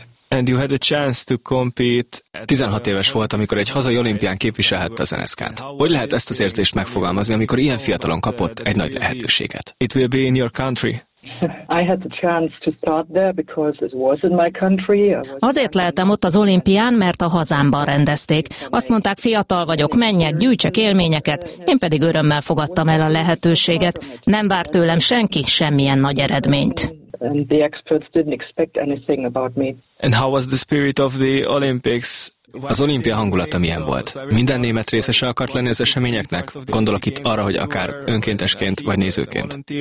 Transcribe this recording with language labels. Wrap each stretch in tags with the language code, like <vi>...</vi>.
<en>And you had a chance to compete.</en> <hu>16 éves volt, amikor egy hazai olimpián képviselhette az NSK-t. Hogy lehet ezt az érzést megfogalmazni, amikor ilyen fiatalon kapott egy nagy lehetőséget?</hu> <en>It will be in your country. I had the chance to start there because it was in my country.</en> <hu>Azért lehettem ott az olimpián, mert a hazámban rendezték. Azt mondták, fiatal vagyok, menjek, gyűjtsek élményeket. Én pedig örömmel fogadtam el a lehetőséget. Nem várt tőlem senki semmilyen nagy eredményt.</hu> <en>And the experts didn't expect anything about me. And how was the spirit of the Olympics?</en> <hu>Az olimpia hangulata milyen volt? Minden német részese akart lenni az eseményeknek? Gondolok itt arra, hogy akár önkéntesként vagy nézőként.</hu>